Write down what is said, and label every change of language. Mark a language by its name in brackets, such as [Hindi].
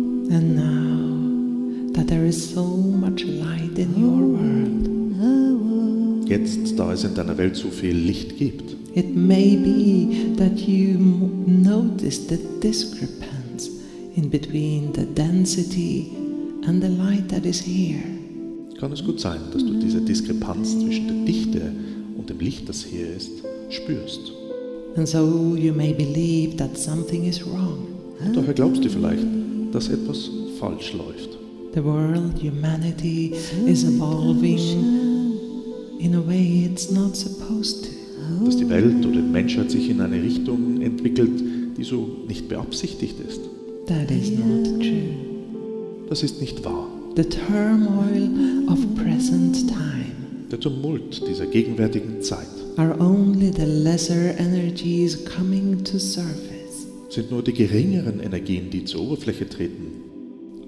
[English] And now that there is so much light in your world, [German] jetzt, da es in deiner Welt so viel Licht gibt, [English] it may be that you notice the discrepancy in between the density and the light that is here. [German] Kann es gut sein, dass du diese Diskrepanz zwischen der Dichte und dem Licht, das hier ist, spürst? [English] And so you may believe that something is wrong. [German] Und daher glaubst du vielleicht, dass etwas falsch läuft. [English] The world, humanity is evolving in a way it's not supposed to. [German] Dass die Welt oder die Menschheit sich in eine Richtung entwickelt, die so nicht beabsichtigt ist. [English] That is not true. [German] Das ist nicht wahr. [English] the turmoil of present time. [German] Der Tumult dieser gegenwärtigen Zeit. [English] Are only the lesser energies coming to surface. [German] Sind nur die geringeren Energien, die zur Oberfläche treten.